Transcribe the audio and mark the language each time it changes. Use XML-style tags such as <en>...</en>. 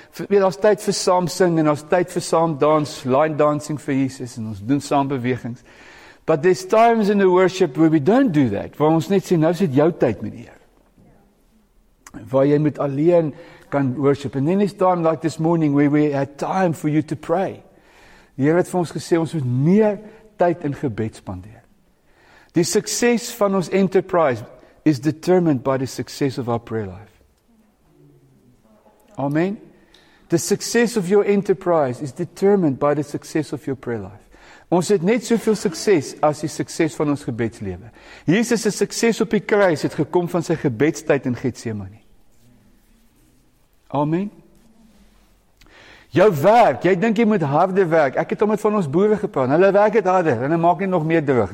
<af>Weet, daar's tyd vir saam sing en daar's tyd vir saam dans, line dancing vir Jesus en ons doen saam bewegings.</af> <en>But there's times in the worship where we don't do that.</en> <af>Waar ons net sê, nou is dit jou tyd met die Here. Waar jy met alleen kan worship.</af> <en>And then there's time like this morning where we had time for you to pray.</en> <af>Die Here het vir ons gesê, ons moet meer tyd in gebed spandeer. Die sukses van ons</af> <en>enterprise is determined by the success of our prayer life. Amen. The success of your enterprise is determined by the success of your prayer life.</en> <af>Ons het net soveel sukses as die sukses van ons gebedslewe. Jesus se sukses op die kruis het gekom van sy gebedstyd in Getsemane. Amen. Jou werk, jy dink jy moet harder werk. Ek het al met van ons boere gepraat. Hulle werk het harder en hulle maak net nog meer droog.</af>